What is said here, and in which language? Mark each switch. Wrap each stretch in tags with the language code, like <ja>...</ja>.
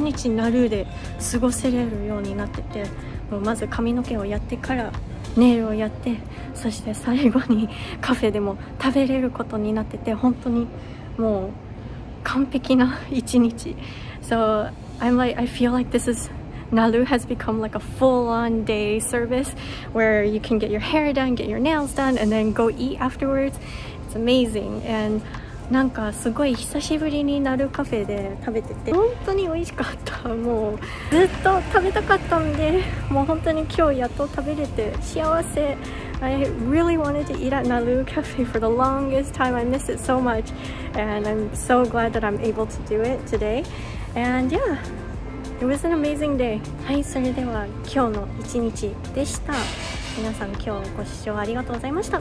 <ja>なるで過ごせれるようになってて、もうまず髪の毛をやってからネイルをやって、そして最後にカフェでも食べれることになってて、本当にもう完璧な一日。</ja> <en>So I'm like, I feel like this is Nalu has become like a full on day service where you can get your hair done, get your nails done and then go eat afterwards. It's amazing. And</en> <ja>なんかすごい久しぶりにナルカフェで食べてて本当に美味しかった。もうずっと食べたかったんで、もう本当に今日やっと食べれて幸せ。</ja> <en>I really wanted to eat at Nalu Cafe for the longest time. I miss it so much and I'm so glad that I'm able to do it today. And yeah, it was an amazing day.</en> <ja>はい、それでは今日の一日でした。皆さん今日ご視聴ありがとうございました。</ja>